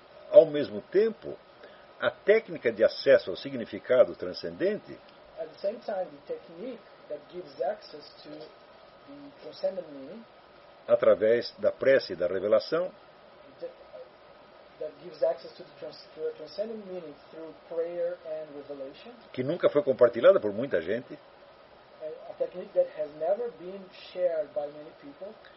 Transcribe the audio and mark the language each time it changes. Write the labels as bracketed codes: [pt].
[pt] Ao mesmo tempo, a técnica de acesso ao significado transcendente, [en] at the same time, the technique that gives access to the transcendent meaning, [pt] através da prece e da revelação, [en] that gives access to the transcendent meaning through prayer and revelation, [pt] que nunca foi compartilhada por muita gente, [en] a technique that has never been shared by many people,